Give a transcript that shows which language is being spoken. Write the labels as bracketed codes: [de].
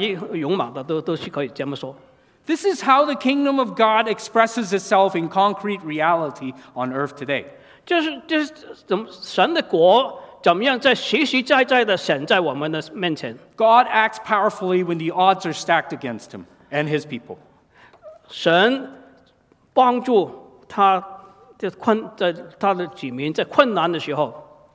[zh] 你就是你高大勇猛的都是可以这么说。 [en] This is how the kingdom of God expresses itself in concrete reality on earth today. [zh] 就是神的国怎么样在实实在在地显在我们的面前。 [en] God acts powerfully when the odds are stacked against him and his people. [zh] 神帮助他的子民在困难的时候。